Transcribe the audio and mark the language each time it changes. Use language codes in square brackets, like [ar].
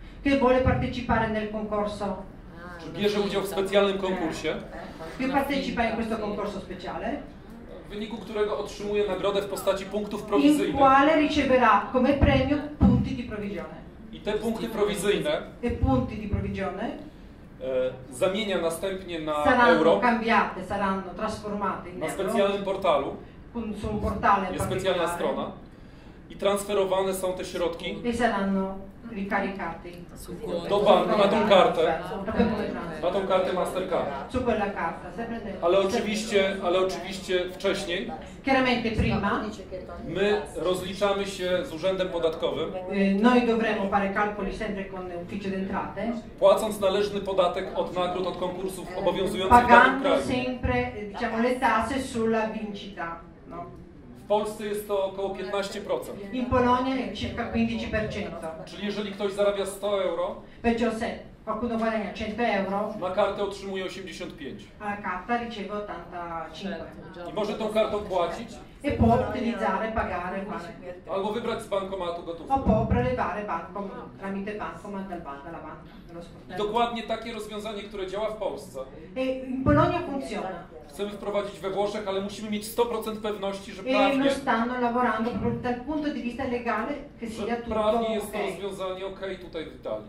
[pl] Czy bierze udział w specjalnym konkursie? [it] Chce partecipare in questo concorso speciale? [pl] wyniku którego otrzymuje nagrodę w postaci punktów prowizyjnych. [it] Il quale riceverà come premio punti di provisione. [pl] I te punkty prowizyjne. [it] E punti di provisione. [pl] Zamienia następnie na [it] saranno [pl] euro. [it] Cambiate, saranno trasformate in [pl] na specjalnym [it] euro. [pl] Portalu. [it] Su un portale [pl] jest specjalna strona. I transferowane są te środki. [it] E saranno ricaricate. [pl] Do banku, na tą kartę. Na tą kartę Mastercard. [it] Su quella carta. [pl] Ale oczywiście wcześniej. [it] Chiaramente prima. [pl] My rozliczamy się z urzędem podatkowym. [it] Noi dovremo fare calcoli sempre con l'ufficio d'entrate. [pl] Płacąc należny podatek od nagród, od konkursów obowiązujących w danym kraju. [it] Pagando sempre, diciamo, le tasse sulla vincita. No. [pl] W Polsce jest to około 15%. [it] In Polonia circa 15%. [pl] Czyli jeżeli ktoś zarabia 100 euro, [it] perciò se qualcuno guadagna 100 euro, [pl] na kartę otrzymuje 85. [it] A carta riceve 85. [pl] I może tą kartą płacić? [it] E può utilizzare, pagare, fare. [pl] Albo wybrać z bankomatu gotówkę. [it] O può prelevare tramite bankomat dal banco, dalla banca. [pl] Dokładnie takie rozwiązanie, które działa w Polsce. [it] E in Polonia funziona. [pl] Chcemy wprowadzić we Włoszech, ale musimy mieć 100% pewności, że prawnie. [it] E non stanno lavorando dal punto di vista legale che sia tutto. [pl] Prawnie jest to rozwiązanie ok tutaj w Italii.